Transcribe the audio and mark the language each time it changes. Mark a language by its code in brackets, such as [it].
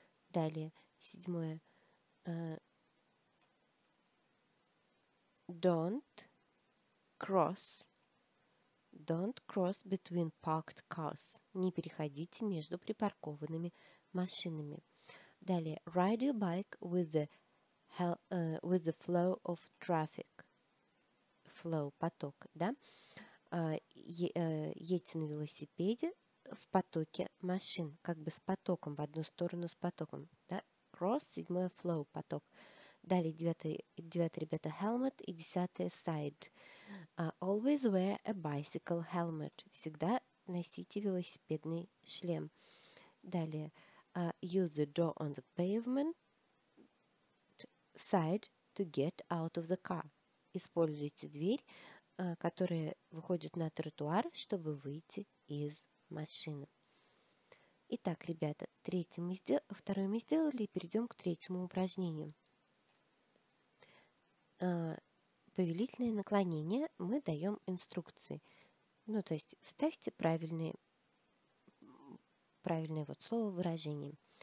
[ru] Далее. Седьмое. [en] Don't cross. Don't cross between parked cars. [ru] Не переходите между припаркованными машинами. Далее. [en] Ride your bike with the flow of traffic. [ru] Flow – поток, да? Едьте на велосипеде в потоке машин. Как бы с потоком, в одну сторону с потоком. Да? Cross – седьмое – flow – поток. Далее, девятое, ребята, helmet и десятое, side. [en] Always wear a bicycle helmet. [ru] Всегда носите велосипедный шлем. [en] Далее, use the door on the pavement side to get out of the car. [ru] Используйте дверь, которая выходит на тротуар, чтобы выйти из машины. Итак, ребята, второе мы сделали, и перейдем к третьему упражнению. Повелительное наклонение мы даем инструкции. Ну, то есть, вставьте правильное вот слово выражение.